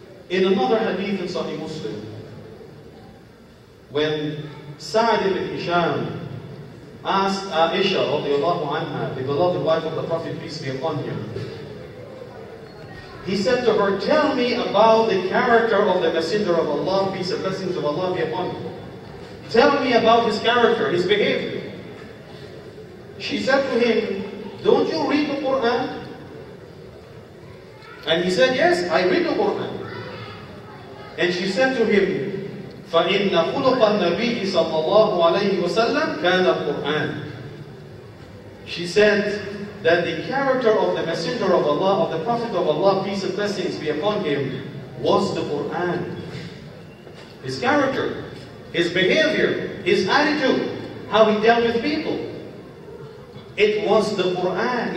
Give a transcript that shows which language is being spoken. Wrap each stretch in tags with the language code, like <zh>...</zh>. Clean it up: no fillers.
<en>In another hadith in Sahih Muslim, when Sa'd ibn Hisham asked Aisha radiallahu anha, the beloved wife of the Prophet, peace be upon him, he said to her, tell me about the character of the Messenger of Allah, peace and blessings of Allah be upon him. Tell me about his character, his behavior. She said to him, don't you read the Qur'an? And he said, yes, I read the Qur'an. And she said to him,</en> <ar>فَإِنَّ خُلُقَ النَّبِيِّ صَلَّى اللَّهُ عَلَيْهِ وَسَلَّمْ كَانَ الْقُرْآنِ.</ar> <en>She said that the character of the Messenger of Allah, of the Prophet of Allah, peace and blessings be upon him, was the Qur'an. His character, his behavior, his attitude, how he dealt with people, it was the Qur'an.</en>